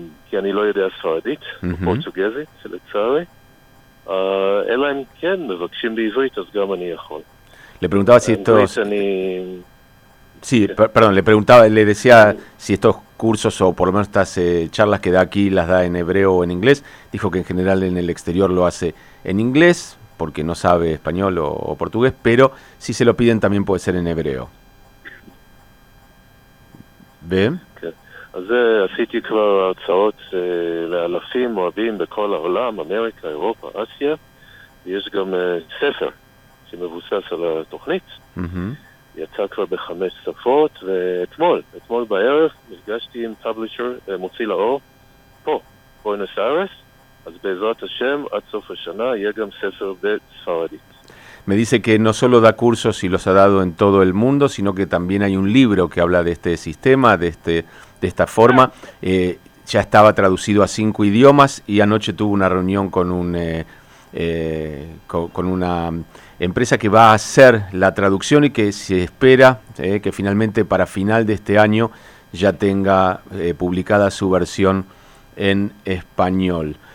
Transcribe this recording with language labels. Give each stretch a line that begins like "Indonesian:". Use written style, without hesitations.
Hebrew: כי אני לא יודע ספרדית, פורטוגזית, לצערי. אלא אם כן, מבקשים בעברית, אז גם אני יכול.
Spanish: Le preguntaba si estos... Sí, perdón, le preguntaba, le decía si estos cursos o por lo menos estas charlas que da aquí las da en hebreo o en inglés. Dijo que en general en el exterior lo hace en inglés, porque no sabe español o portugués, pero si se lo piden también puede ser en hebreo. ¿Ve?
Hebrew: אז עשיתי כבר הרצאות לאלפים רבים בכל העולם, אמריקה, אירופה, אסיה, ויש גם ספר שמבוסס על התוכנית, יצא כבר בחמש שפות, ואתמול בערב נפגשתי עם פאבלישר, מוציא לאור, פה, בוינוס איירס, אז בעזרת השם, עד סוף השנה, יהיה גם ספר בספרדית.
Spanish: Me dice que no solo da cursos y los ha dado en todo el mundo, sino que también hay un libro que habla de este sistema, de esta forma. Ya estaba traducido a 5 idiomas y anoche tuvo una reunión con una empresa que va a hacer la traducción y que se espera que finalmente para final de este año ya tenga publicada su versión en español.